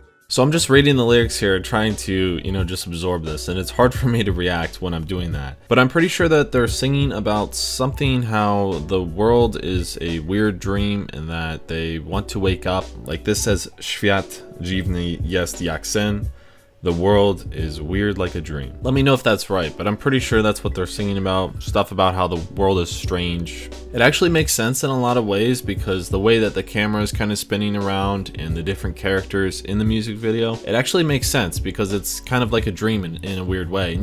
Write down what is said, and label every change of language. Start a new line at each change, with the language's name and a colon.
English: So I'm just reading the lyrics here, trying to, you know, just absorb this, and it's hard for me to react when I'm doing that. But I'm pretty sure that they're singing about something, how the world is a weird dream and that they want to wake up. Like this says,
Polish: Świat dziwny jest jak sen.
English: The world is weird like a dream. Let me know if that's right, but I'm pretty sure that's what they're singing about. Stuff about how the world is strange. It actually makes sense in a lot of ways because the way that the camera is kind of spinning around and the different characters in the music video, it actually makes sense because it's kind of like a dream in a weird way.